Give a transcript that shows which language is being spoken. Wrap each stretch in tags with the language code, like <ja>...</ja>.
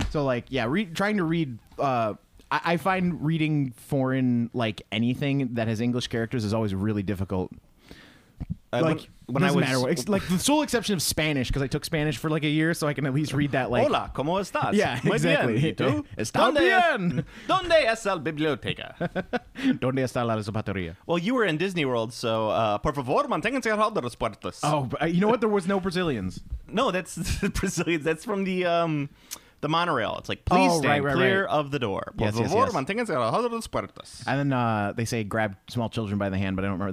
<en>So like, yeah, trying to read... I find reading foreign, like, anything that has English characters is always really difficult. Like, the sole exception of Spanish, because I took Spanish for, like, a year, so I can at least read that, like...</en> <es>Hola, ¿cómo estás?</es> <en>Yeah, exactly.</en> <es>¿Está bien? ¿Dónde está la biblioteca? ¿Dónde está la zapatería?</es> <en>Well, you were in Disney World, so,</en> <es>por favor, manténganse a todos los puertos.</es> <en>Oh, but, you know what? There was no Brazilians. No, that's Brazilians. That's from the, the monorail. It's like, please stand clear of the door. Yes. And then they say, grab small children by the hand, but I don't remember.</en>